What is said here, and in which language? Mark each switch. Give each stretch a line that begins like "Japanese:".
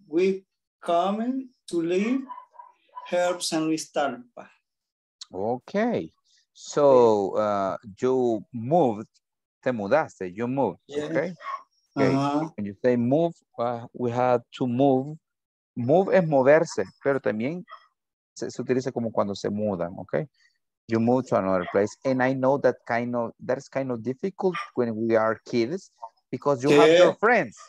English: We come to live help San Luis Talpa. Okay. So you moved
Spanish: te mudaste,
English: you moved, yes. Okay? Okay. Uh-huh. When you say move, we had to move.
Spanish: Move es moverse, pero también se utiliza como cuando se mudan, okay?
English: You move to another place. And I know that kind of, that's kind of difficult when we are kids because you have your friends.